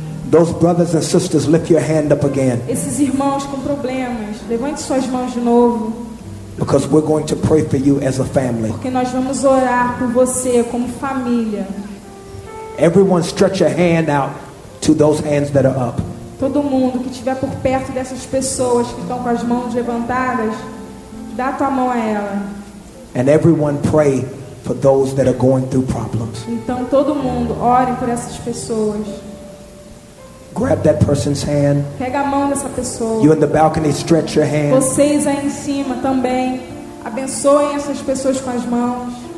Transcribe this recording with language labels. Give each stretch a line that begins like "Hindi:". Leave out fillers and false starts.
English: Those brothers and sisters, lift your hand up again.
Portuguese: Esses irmãos com problemas, levante suas mãos de novo.
English: Because we're going to pray for you as a family.
Portuguese: Porque nós vamos orar por você como família.
English: Everyone stretch your hand out to those hands that are up.
Portuguese: Todo mundo que estiver por perto dessas pessoas que estão com as mãos levantadas, dá tua mão a ela.
English: And everyone pray for those that are going through problems.
Portuguese: Então todo mundo ore por essas pessoas.
English: Grab that person's hand.
Portuguese: Pega a mão dessa pessoa.
English: You in the balcony, stretch your hand.
Portuguese: Vocês aí em cima também. Abençoem essas pessoas com as mãos.